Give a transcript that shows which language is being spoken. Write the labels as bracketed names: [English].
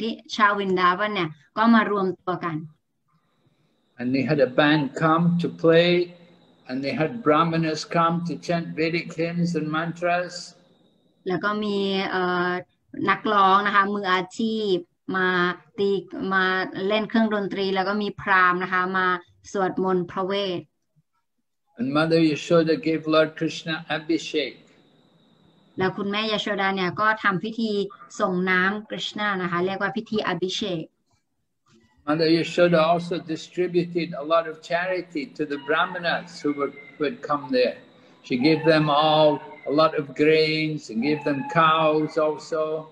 [Thai] เพราะฉะนั้นเป็นวันเกิดปีแรกของคริชนานะคะเพราะฉะนั้นทุกคนที่ชาววินดาวันเนี่ยก็มารวมตัวกัน [English] And they had a band come to play, and they had brahmanas come to chant Vedic hymns and mantras. [Thai] แล้วก็มีนักร้องนะคะมืออาชีพ มาเล่นเครื่องดนตรีแล้วก็มีพราหมณ์นะคะมาสวดมนต์พระเวท [English] And Mother Yashoda gave Lord Krishna Abhishek. [Thai] แล้วคุณแม่ยโชดาเนี่ยก็ทำพิธีส่งน้ำคริชนานะคะเรียกว่าพิธีอภิเษก [English] Mother Yashoda also distributed a lot of charity to the brahmanas who would come there. She gave them all a lot of grains and gave them cows also.